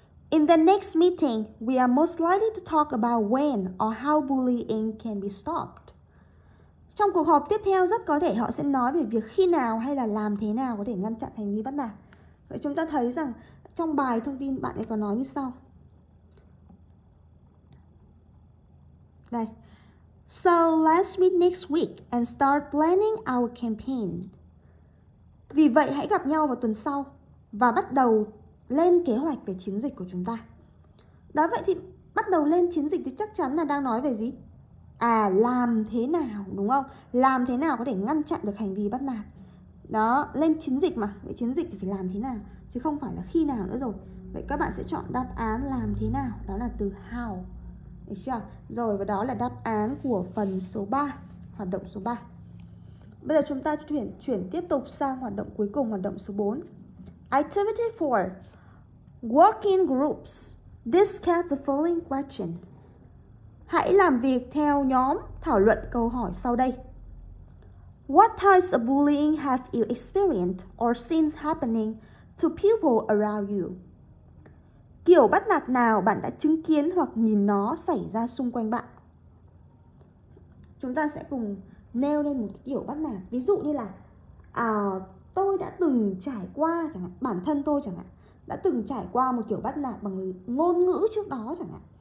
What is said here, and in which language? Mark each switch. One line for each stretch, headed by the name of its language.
English: In the next meeting, we are most likely to talk about when or how bullying can be stopped.
Vietnamese: Trong cuộc họp tiếp theo rất có thể họ sẽ nói về việc khi nào hay là làm thế nào có thể ngăn chặn hành vi bắt nạt. Vậy chúng ta thấy rằng trong bài thông tin bạn ấy có nói như sau. Đây. So let's meet next week and start planning our campaign. Vì vậy hãy gặp nhau vào tuần sau và bắt đầu lên kế hoạch về chiến dịch của chúng ta. Đó, vậy thì bắt đầu lên chiến dịch thì chắc chắn là đang nói về gì? Làm thế nào, đúng không? Làm thế nào có thể ngăn chặn được hành vi bắt nạt? Đó, lên chiến dịch mà. Vậy chiến dịch thì phải làm thế nào? Chứ không phải là khi nào nữa rồi. Vậy các bạn sẽ chọn đáp án làm thế nào? Đó là từ how. Được chưa? Rồi, và đó là đáp án của phần số 3, hoạt động số 3. Bây giờ chúng ta chuyển tiếp tục sang hoạt động cuối cùng, hoạt động số 4.
English: Activity 4. Work in groups. Discuss the following question.
Vietnamese: Hãy làm việc theo nhóm thảo luận câu hỏi sau đây.
English: What types of bullying have you experienced or seen happening to people around you?
Vietnamese: Kiểu bắt nạt nào bạn đã chứng kiến hoặc nhìn nó xảy ra xung quanh bạn? Chúng ta sẽ cùng nêu lên một kiểu bắt nạt. Ví dụ như là tôi đã từng trải qua, chẳng hạn, bản thân tôi chẳng hạn, đã từng trải qua một kiểu bắt nạt bằng ngôn ngữ trước đó chẳng hạn.